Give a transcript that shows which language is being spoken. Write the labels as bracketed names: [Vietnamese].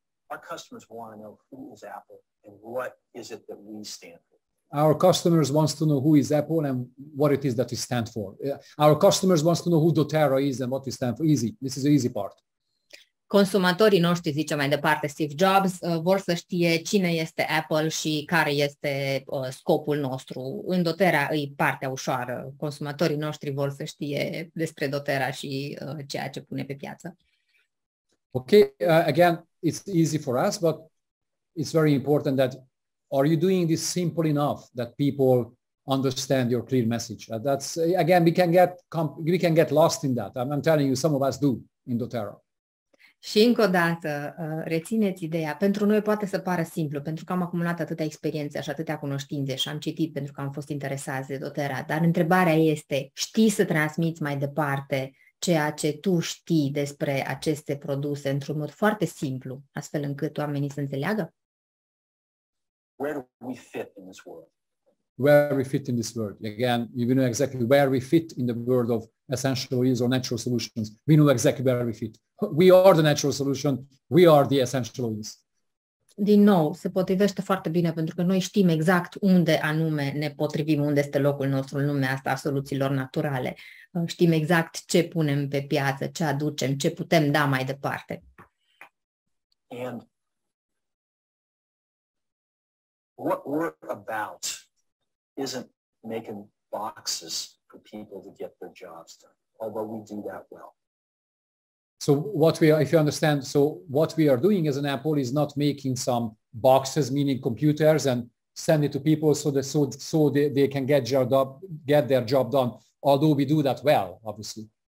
[English] Our customers want to know who is Apple and what is it that we stand for. Our customers wants to know who is Apple and what it is that we stand for. Our customers wants to know who doTERRA is and what we stand for. Easy, this is the easy part. [Romanian] Consumatorii noștri, zice mai departe Steve Jobs, vor să știe cine este Apple și care este scopul nostru. În doTERRA e partea ușoară. Consumatorii noștri vor să știe despre doTERRA și ceea ce pune pe piață. [English] Ok, again, it's easy for us, but it's very important that are you doing this simple enough that people understand your clear message? That's, again, we can get lost in that. I'm telling you, some of us do in doTERRA. [Romanian] Și încă o dată, rețineți ideea, pentru noi poate să pară simplu, pentru că am acumulat atâtea experiențe și atâtea cunoștințe și am citit pentru că am fost interesați de doTERRA, dar întrebarea este, știi să transmiți mai departe ceea ce tu știi despre aceste produse într-un mod foarte simplu, astfel încât oamenii să înțeleagă? [English] Where do we fit in this world? Where we fit in this world? Again, we know exactly where we fit in the world of essential oils or natural solutions. We know exactly where we fit. We are the natural solution. We are the essential oils. [Romanian] Din nou, se potrivește foarte bine pentru că noi știm exact unde anume ne potrivim, unde este locul nostru în lumea asta a soluțiilor naturale. Știm exact ce punem pe piață, ce aducem, ce putem da mai departe. [English] And what we're about isn't making boxes for people to get their jobs done, although we do that well. So what we are, if you understand, so what we are doing as an Apple is not making some boxes, meaning computers, and send it to people so they can get their job done, although we do that well, obviously.